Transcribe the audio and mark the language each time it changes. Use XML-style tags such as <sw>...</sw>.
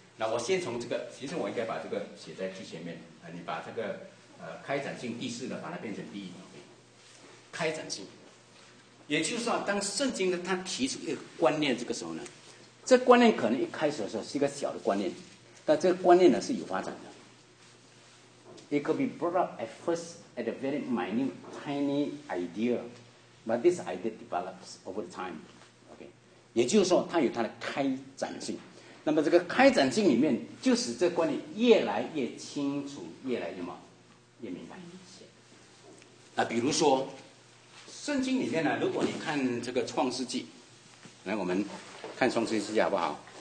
<zh>那我先从这个，其实我应该把这个写在最前面。你把这个开展性第四呢，把它变成第一 ，OK？ 开展性。也就是说，当圣经呢，他提出一个观念，这个时候呢，这观念可能一开始的时候是一个小的观念，但这个观念呢是有发展的。</zh> <en>It could be brought up at first at a very minute, tiny idea, but this idea develops over time.</en> <zh>OK， 也就是说，它有它的开展性。那么这个开展性里面，就使这观念越来越清楚，越来越嘛，越明白。那比如说。圣经里面呢，如果你看这个创世纪，来我们看创世纪好不好？</zh>